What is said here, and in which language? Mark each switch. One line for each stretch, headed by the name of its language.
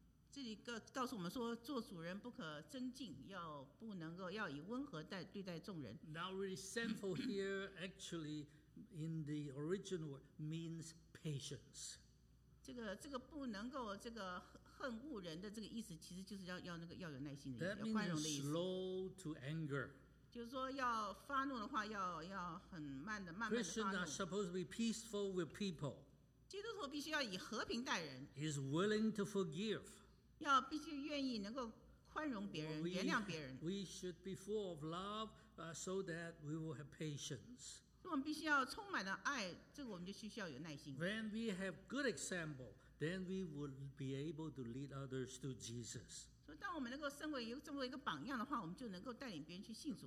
Chinese: 这里告诉我们说，做主人不可争竞，要以温和对待众人。
English: Now resentful here actually in the original means patience.
Chinese: 这个不能够这个恨恶人的这个意思，其实就是要那个要有耐心的意思，要宽容的意思。
English: That means slow to anger.
Chinese: 就是说要发怒的话，要很慢的慢慢的发怒。
English: Christians are supposed to be peaceful with people.
Chinese: 基督徒必须要以和平待人。
English: Is willing to forgive.
Chinese: 要必须愿意能够宽容别人，原谅别人。
English: We should be full of love, so that we will have patience.
Chinese: 我们必须要充满了爱，这个我们就需要有耐心。
English: When we have good example, then we would be able to lead others to Jesus.
Chinese: 所以，当我们能够身为这么一个榜样的话，我们就能够带领别人去信主。